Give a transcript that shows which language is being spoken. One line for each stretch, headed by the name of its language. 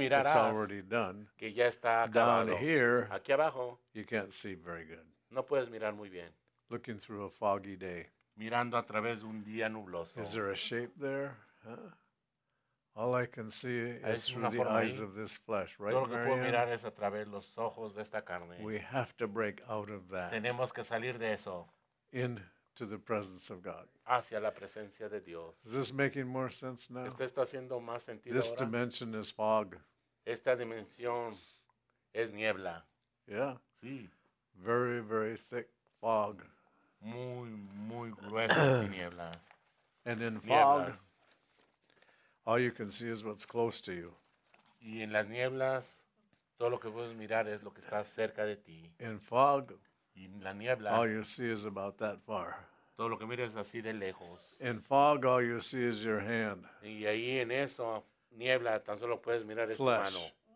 English: it's already done.
Spanish: Que ya está
English: down here,
Spanish: aquí abajo,
English: you can't see very good.
Spanish: No puedes mirar muy bien.
English: Looking through a foggy day.
Spanish: Mirando a través de un día nubloso.
English: Is there a shape there? Huh? All I can see is through the eyes Of this flesh, right,
Spanish: todo lo que
English: Marianne?
Spanish: Puedo mirar es a través de los ojos de esta carne.
English: We have to break out of that.
Spanish: Tenemos que salir de eso.
English: In to the presence of God.
Spanish: Hacia la presencia de Dios.
English: Is this making more sense now?
Spanish: ¿Está esto haciendo más sentido
English: this
Spanish: ahora?
English: Dimension is fog.
Spanish: Esta dimensión es niebla.
English: Yeah.
Spanish: Sí.
English: Very, very thick fog.
Spanish: Muy, muy gruesa tinieblas.
English: And in fog,
Spanish: nieblas.
English: All you can see is what's close to you.
Spanish: Y en las nieblas, todo lo que puedes mirar es lo que está cerca de ti.
English: In fog,
Spanish: y en la niebla,
English: all you see is about that far.
Spanish: Todo lo que miras es así de lejos.
English: In fog, all you see is your hand.
Spanish: Y ahí en eso, niebla, tan solo puedes mirar es tu mano.